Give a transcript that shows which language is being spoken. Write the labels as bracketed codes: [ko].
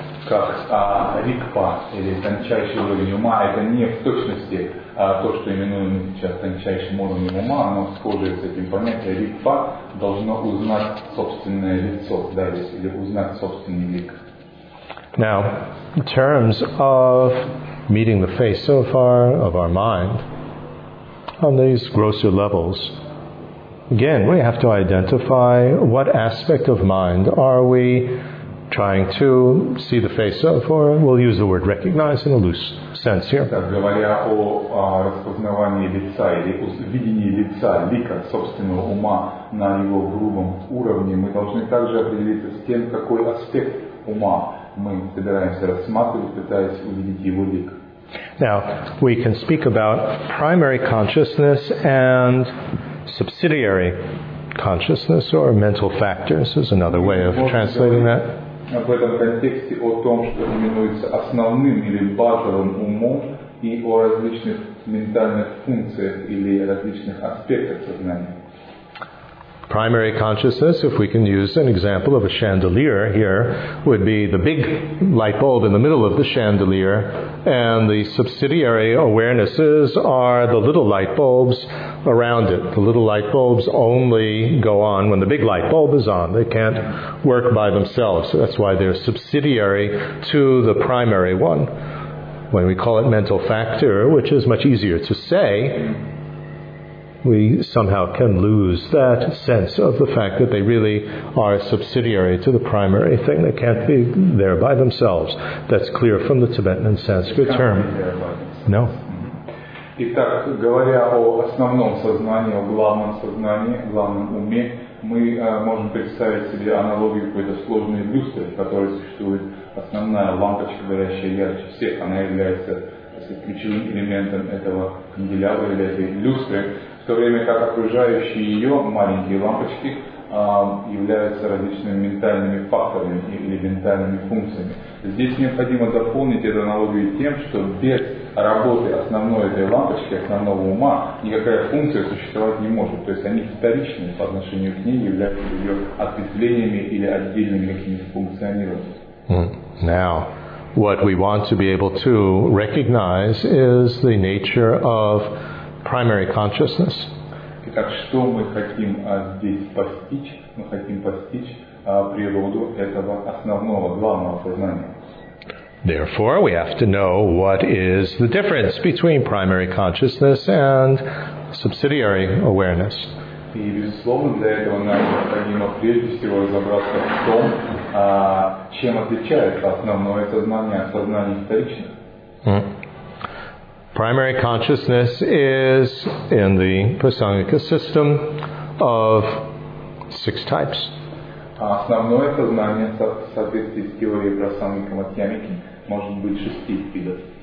[ru] Как Рикпа, или тончайший уровень ума, это не в точности то, что именуем сейчас тончайшим уровнем ума, оно схоже с этим понятием. Рикпа должно узнать собственное лицо, да, или узнать собственный лик. [en] Now, in terms of meeting the face so far of our mind, on these grosser levels, again, we have to identify what aspect of mind are we trying to see the face of, or we'll use the word recognize in a loose sense here. [ru] Так, говоря о распознавании лица или видении лица, лика собственного ума на его грубом уровне, мы должны также определиться с тем, какой аспект ума мы собираемся рассматривать, пытаясь увидеть его лик. [en] Now, we can speak about primary consciousness and subsidiary consciousness, or mental factors is another way of translating that. [ru] В этом контексте о том, что именуется основным или базовым умом, и о различных ментальных функциях или различных аспектах сознания. [en] Primary consciousness, if we can use an example of a chandelier here, would be the big light bulb in the middle of the chandelier, and the subsidiary awarenesses are the little light bulbs around it. The little light bulbs only go on when the big light bulb is on. They can't work by themselves. So that's why they're subsidiary to the primary one. When we call it mental factor, which is much easier to say, we somehow can lose that sense of the fact that they really are subsidiary to the primary thing. They can't be there by themselves. That's clear from the Tibetan and Sanskrit term. No. [ru] Итак, говоря о основном сознании, о главном сознании, главном уме, мы можем представить себе аналогию какой-то сложной люстры, в которой существует основная лампочка, горящая ярче всех. Она является ключевым элементом этого канделябра или этой люстры. В то время как окружающие ее маленькие лампочки являются различными ментальными факторами или ментальными функциями. Здесь необходимо дополнить эту аналогию тем, что без работы основной этой лампочки, основного ума, никакая функция существовать не может. То есть они вторичны по отношению к ней, являются ее ответвлениями или отдельными какими-то функционированиями. [en] Now, what we want to be able to recognize is the nature of primary consciousness. [ru] Итак, что мы хотим здесь постичь? Мы хотим постичь природу этого основного, главного сознания. [en] Therefore, we have to know what is the difference between primary consciousness and subsidiary awareness. [ru] И, безусловно, для этого нам необходимо прежде всего разобраться в том, чем отличается основное сознание от сознания вторичных. [en] Primary consciousness is in the Prasangika system of six types. [ru] Основное сознание в соответствии с теорией Прасанги Каматьямики может быть шести видов.